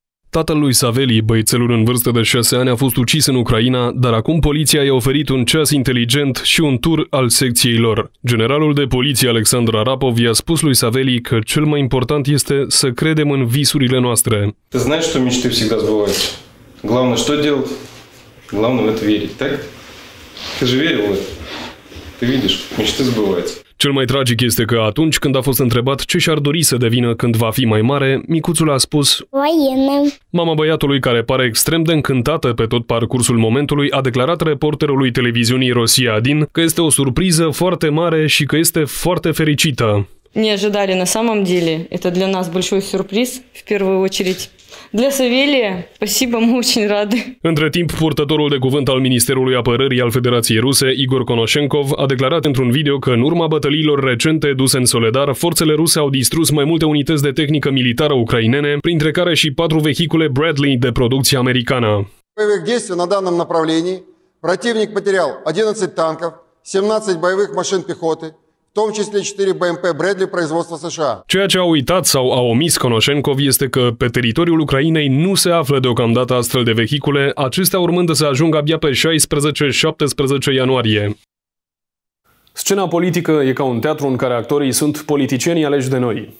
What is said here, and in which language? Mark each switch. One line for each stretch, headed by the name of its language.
Romanian: Tatăl lui Saveli, băiețelul în vârstă de 6 ani, a fost ucis în Ucraina, dar acum poliția i-a oferit un ceas inteligent și un tur al secției lor. Generalul de poliție Alexandru Arapov i-a spus lui Saveli că cel mai important este să credem în visurile noastre.
Ukrainian: Ти знаєш, що мечти завжди збуваються. Головне, що робити? Головне це вірити, так? Ти ж вірив. Ти бачиш, мечти збуваються.
Romanian: Cel mai tragic este că atunci când a fost întrebat ce și-ar dori să devină când va fi mai mare, micuțul a spus:
Russian: voină.
Romanian: Mama băiatului, care pare extrem de încântată pe tot parcursul momentului, a declarat reporterului televiziunii Rosia Adin că este o surpriză foarte mare și că este foarte fericită.
Russian: Не ожидали на самом деле. Это для нас большой сюрприз в первую очередь. Для Савелия, спасибо, мы очень рады.
Romanian: Între timp, purtătorul de cuvânt al Ministerului Apărării al Federației Ruse, Igor Konoshenkov, a declarat într-un video că în urma bătăliilor recente duse în Soledar, forțele ruse au distrus mai multe unități de tehnică militară ucrainene, printre care și 4 vehicule Bradley de producție americană.
Russian: Боевых действий на данном направлении противник потерял 11 танков, 17 боевых машин пехоты.
Romanian: Ceea ce a uitat sau a omis Konoshenkov este că pe teritoriul Ucrainei nu se află deocamdată astfel de vehicule, acestea urmând să ajungă abia pe 16-17 ianuarie. Scena politică e ca un teatru în care actorii sunt politicienii aleși de noi.